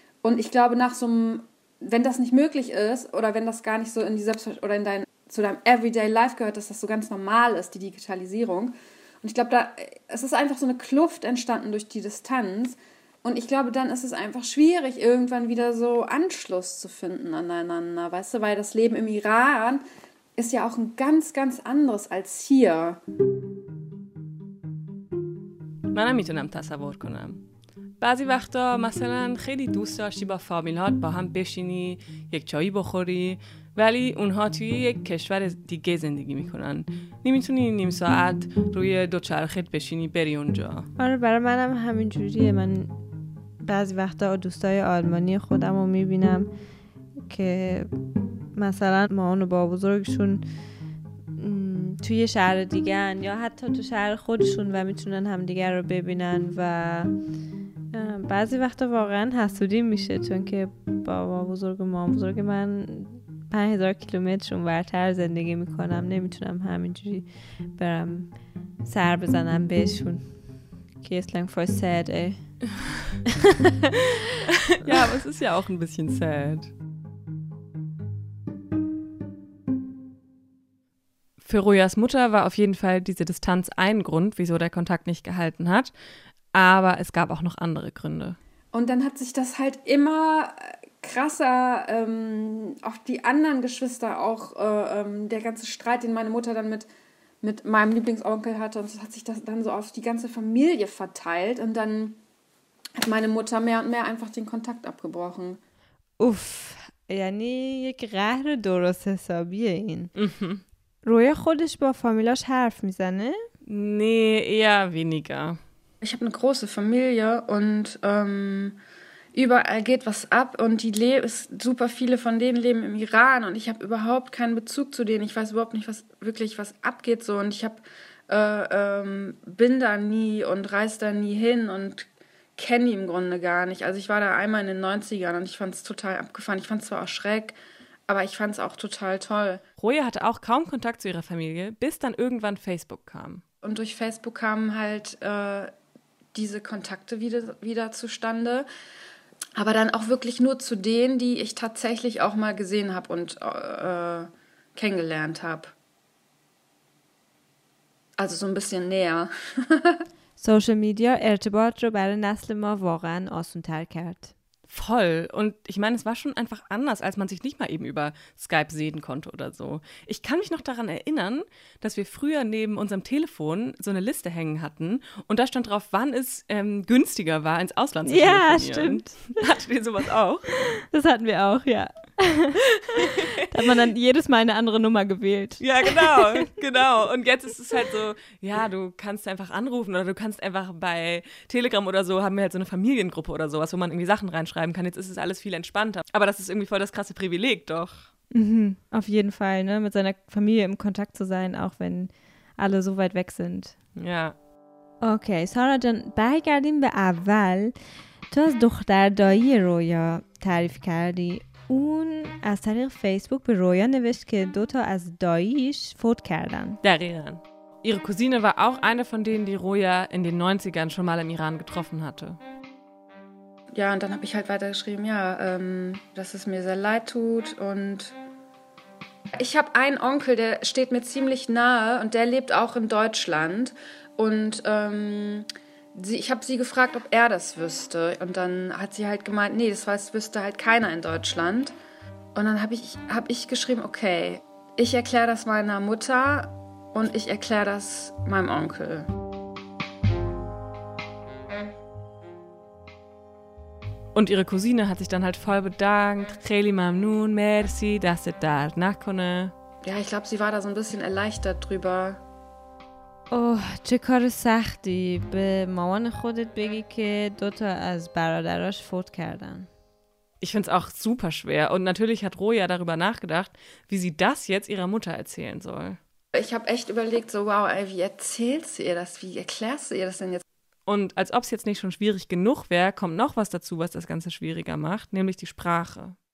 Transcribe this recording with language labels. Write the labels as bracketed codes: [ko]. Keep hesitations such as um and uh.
[de] Und ich glaube, nach so einem, wenn das nicht möglich ist oder wenn das gar nicht so in die Selbstver oder in dein, zu deinem [en] Everyday Life [de] gehört, dass das so ganz normal ist, die Digitalisierung. Und ich glaube, da es ist einfach so eine Kluft entstanden durch die Distanz, Und ich glaube, dann ist es einfach schwierig, irgendwann wieder so Anschluss zu finden aneinander, weißt du, weil das Leben im Iran ist ja auch ein ganz, ganz anderes als hier. [fa] منم میتونم تصور کنم بعضی وقتا مثلا خیلی دوست داشتی با فامیلات با هم بشینی یک چایی بخوری ولی اونها توی یک کشور دیگه زندگی میکنن نمیتونی نیم ساعت روی دوچرخت بشینی بری اونجا آره برای منم همین جوریه من بعضی وقتا دوستای آلمانی خودم رو میبینم که مثلا مامان و با بزرگشون م، توی شهر دیگن یا حتی تو شهر خودشون و میتونن همدیگر رو ببینن و اه، بعضی وقتا واقعا حسودی میشه چون که بابا بزرگ و مامان بزرگ من 5000 کیلومتر اونورتر زندگی میکنم نمیتونم همینجوری برم سر بزنم بهشون [de] Kieslang voll sad, ey. Ja, aber es ist ja auch ein bisschen sad. Für Rojas Mutter war auf jeden Fall diese Distanz ein Grund, wieso der Kontakt nicht gehalten hat. Aber es gab auch noch andere Gründe. Und dann hat sich das halt immer äh, krasser ähm, auf die anderen Geschwister auch, äh, ähm, der ganze Streit, den meine Mutter dann mit, mit meinem Lieblingsonkel hatte, und so hat sich das dann so auf die ganze Familie verteilt. Und dann hat meine Mutter mehr und mehr einfach den Kontakt abgebrochen. [fa] اوف یعنی یک قهر درست حسابیه این رویا خودش با فامیلاش حرف میزنه [de] Nee, eher weniger. Ich habe eine große Familie und ähm, überall geht was ab und die le ist, super viele von denen leben im Iran und ich habe überhaupt keinen Bezug zu denen. Ich weiß überhaupt nicht, was wirklich was abgeht so und ich habe äh, ähm, bin da nie und reise da nie hin und kenne die im Grunde gar nicht. Also ich war da einmal in den 90ern und ich fand es total abgefahren. Ich fand es zwar auch schräg, aber ich fand es auch total toll. Roja hatte auch kaum Kontakt zu ihrer Familie, bis dann irgendwann Facebook kam. Und durch Facebook kamen halt äh, diese Kontakte wieder, wieder zustande. Aber dann auch wirklich nur zu denen, die ich tatsächlich auch mal gesehen habe und äh, kennengelernt habe. Also so ein bisschen näher. [fa] سوشل میدیا ارتباط رو برای نسل ما واقعا آسونتر کرد [de] Voll. Und ich meine, es war schon einfach anders, als man sich nicht mal eben über Skype sehen konnte oder so. Ich kann mich noch daran erinnern, dass wir früher neben unserem Telefon so eine Liste hängen hatten und da stand drauf, wann es ähm, günstiger war, ins Ausland zu Ja, telefonieren. stimmt. Hattet ihr sowas auch? Das hatten wir auch, ja. da hat man dann jedes Mal eine andere Nummer gewählt. Ja, genau, genau. Und jetzt ist es halt so, ja, du kannst einfach anrufen oder du kannst einfach bei Telegram oder so, haben wir halt so eine Familiengruppe oder sowas, wo man irgendwie Sachen reinschreiben kann. Jetzt ist es alles viel entspannter. Aber das ist irgendwie voll das krasse Privileg, doch. Auf jeden Fall, ne? Mit seiner Familie im Kontakt zu sein, auch wenn alle so weit weg sind. Ja. [fa] اوکی سارا جان برگردیم به اول تو از دختر دایی رویا تعریف کردی اون از طریق فیسبوک به رویا نوشت که دوتا از داییش فوت کردن Dariran. [de] Ihre Cousine war auch eine von denen, die Roja in den 90ern schon mal im Iran getroffen hatte. Ja, und dann habe ich halt weitergeschrieben, ja, ähm, dass es mir sehr leid tut und ich habe einen Onkel, der steht mir ziemlich nahe und der lebt auch in Deutschland und ähm, sie, ich habe sie gefragt, ob er das wüsste und dann hat sie halt gemeint, nee, das weiß, wüsste halt keiner in Deutschland und dann habe ich, hab ich geschrieben, okay, ich erkläre das meiner Mutter und ich erkläre das meinem Onkel. Und ihre Cousine hat sich dann halt voll bedankt. [fa] Kheli Mamnun, [de] merci, dass du da nachkonne. Ja, ich glaube, sie war da so ein bisschen erleichtert drüber. [fa] اوه چه کار سختی به مامان خودت بگی که دوتا از برادراش فوت کردن [de] Ich finde es auch super schwer. Und natürlich hat Roja darüber nachgedacht, wie sie das jetzt ihrer Mutter erzählen soll. Ich habe echt überlegt, so wow, ey, wie erzählst du ihr das? Wie erklärst du ihr das denn jetzt? Und als ob es jetzt nicht schon schwierig genug wäre, kommt noch was dazu, was das Ganze schwieriger macht, nämlich die Sprache.